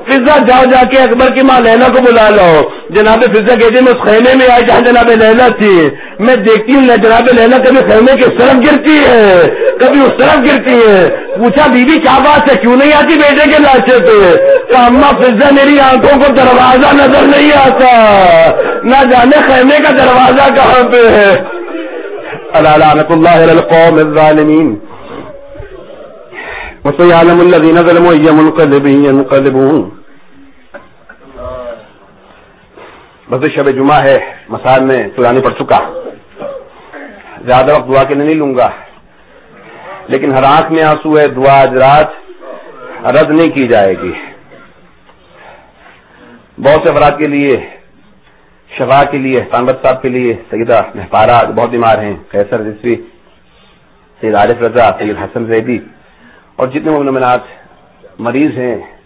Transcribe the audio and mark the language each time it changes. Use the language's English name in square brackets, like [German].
[Urdu] فضا جاؤ جا کے اکبر کی ماں لیلا کو بلا لو. جناب فضا کہتے ہیں میں اس خیمے میں آئی جہاں جناب لیلا تھی, میں دیکھتی ہوں جناب لیلا کبھی خیمے کی اس طرف گرتی ہے, کبھی اس طرف گرتی ہے. پوچھا بیوی کیا بات ہے, کیوں نہیں آتی بیٹے کے لاشے پہ؟ کہ اما فضا میری آنکھوں کو دروازہ نظر نہیں آتا, نہ جانے خیمے کا دروازہ کہاں پہ ہے. [Arabic] لعنت الله على القوم الظالمين وسيعلم الذين ظلموا اي منقلب ينقلبون. [Urdu] بس شب جمعہ ہے, مسائل میں سنانی پڑ چکا, زیادہ وقت دعا کے نہیں لوں گا, لیکن ہر آنکھ میں آنسو ہے, دعا آج رات رد نہیں کی جائے گی. بہت سے افراد کے لیے, شفا کے لیے, احسانبت صاحب کے لیے, سیدہ مہپارا بہت بیمار ہیں, قیصر رضوی, سید عارف رضا, سید حسن زیدی اور جتنے مومنات مریض ہیں,